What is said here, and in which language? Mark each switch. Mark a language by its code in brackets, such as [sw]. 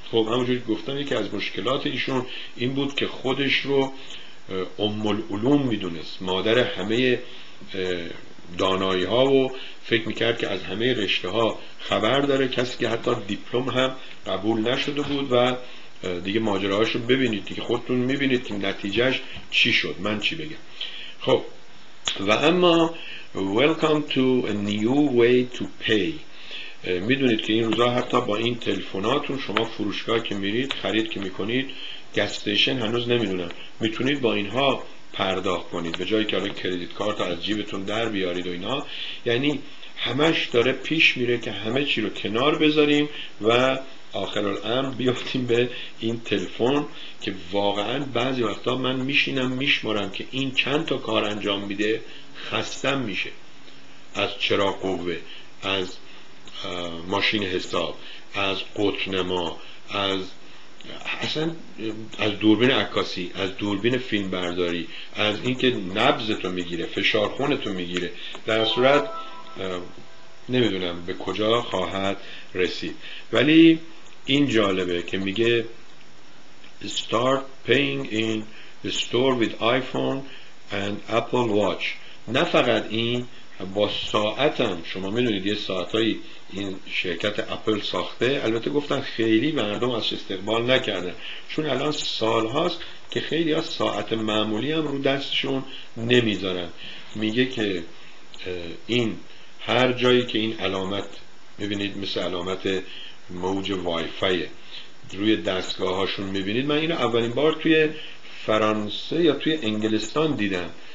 [fa] خب، همونجور گفتم یکی از مشکلات ایشون این بود که خودش رو ام العلوم میدونست، مادر همه دانایی ها، و فکر میکرد که از همه رشته ها خبر داره، کسی که حتی دیپلم هم قبول نشده بود. و دیگه ماجراهاشو ببینید دیگه، خودتون میبینید که نتیجهش چی شد، من چی بگم. خب، و اما [en] welcome to a new way to pay. [fa] میدونید که این روزا حتی با این تلفناتون شما فروشگاه که میرید، خرید که میکنید، گس استیشن هنوز نمیدونم، میتونید با اینها پرداخت کنید به جایی که الان کردیت کارت از جیبتون در بیارید و اینا. یعنی همش داره پیش میره که همه چی رو کنار بذاریم و آخرالامر بیافتیم به این تلفن، که واقعا بعضی وقتا من میشینم میشمارم که این چند تا کار انجام میده، خستم میشه از چراغ قوه، از ماشین حساب، از قطنما، از اصلا از دوربین عکاسی، از دوربین فیلم برداری، از اینکه نبضتو میگیره، فشار خونتو میگیره. در صورت نمیدونم به کجا خواهد رسید، ولی این جالبه که میگه [en] start paying in the store with iPhone and Apple Watch. [fa] نه فقط این، با ساعتم. شما میدونید یه ساعتایی این شرکت اپل ساخته، البته گفتن خیلی مردم ازش استقبال نکردن، چون الان سال هاست که خیلی ها ساعت معمولی هم رو دستشون نمیذارن. میگه که این هر جایی که این علامت میبینید، مثل علامت موج وای فای روی دستگاه هاشون میبینید، من اینو اولین بار توی فرانسه یا توی انگلستان دیدم.